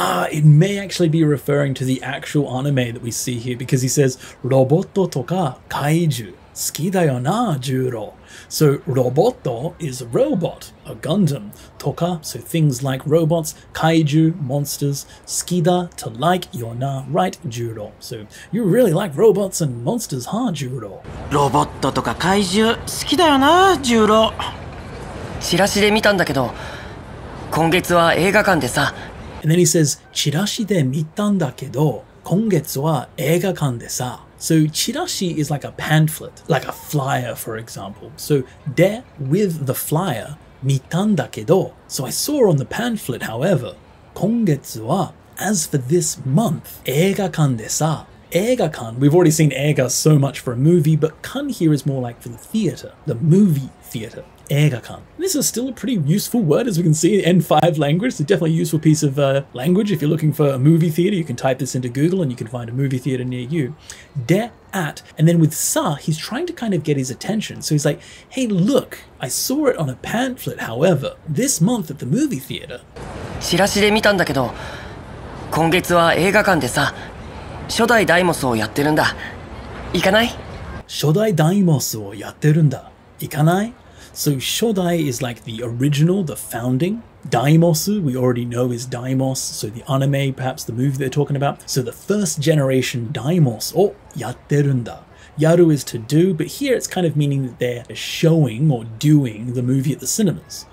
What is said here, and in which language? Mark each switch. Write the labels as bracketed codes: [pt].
[en] It may actually be referring to the actual anime that we see here because he says [ja] Roboto toka kaiju suki da yo na Juro. [en] So Roboto is a robot, a Gundam. Toka, so things like robots, kaiju, monsters, suki da, to like, yo na, right, Juro. So you really like robots and monsters, huh, Juro? [ja] Roboto toka kaiju suki da yo na Juro. チラシ で 見たんだけど 今月は映画館でさ [en] And then he says [ja] チラシ で 見たんだけど 今月は映画館でさ [en] So チラシ is like a pamphlet, like a flyer for example. So で with the flyer 見たんだけど So I saw on the pamphlet however 今月は as for this month 映画館でさ Eiga-kan, we've already seen Eiga so much for a movie, but kan here is more like for the theater, the movie theater, Eiga-kan. This is still a pretty useful word, as we can see, N5 language, it's definitely a useful piece of language. If you're looking for a movie theater, you can type this into Google and you can find a movie theater near you. De, at, and then with sa, he's trying to kind of get his attention. So he's like, hey, look, I saw it on a pamphlet, however, this month at the movie theater. [ja] 知らしで見たんだけど, 今月は映画館でさ, 初代ダイモスをやってるんだ。行かない? 初代ダイモスをやってるんだ。行かない? [en] So 初代 is like the original, the founding. Daimosu, we already know, is Daimos, so the anime, perhaps the movie they're talking about. So the first generation Daimos, or やってるんだ. Yaru is to do, but here it's kind of meaning that they're showing or doing the movie at the cinemas.